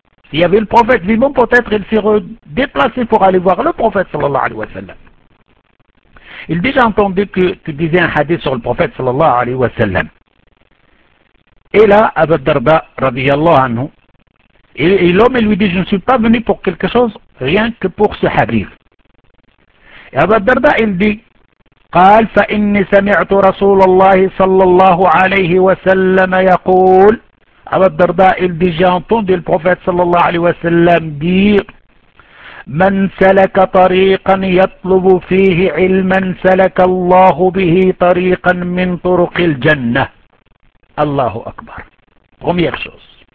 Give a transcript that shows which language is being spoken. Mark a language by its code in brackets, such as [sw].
[fr] S'il y avait le prophète vivant, peut-être il serait déplacé pour aller voir le prophète [ar] صلى الله عليه وسلم. [fr] Il dit: j'ai entendu que tu disais un hadith sur le prophète [ar] sallallahu alayhi wa sallam. [fr] Et là, Abu Darda, [ar] radiyallahu anhu, [fr] et l'homme lui dit: je ne suis pas venu pour quelque chose, rien que pour ce hadith. Et Abu Darda, il dit: [ar] قال فإني سمعت رسول الله صلى الله عليه وسلم يقول. [fr] Abu Darda, il dit: j'ai entendu le prophète [ar] sallallahu alayhi wa sallam [fr] dire: [ar] من سلك طريقا يطلب فيه علما سلك الله به طريقا من طرق الجنة. الله أكبر. [fr] Première chose.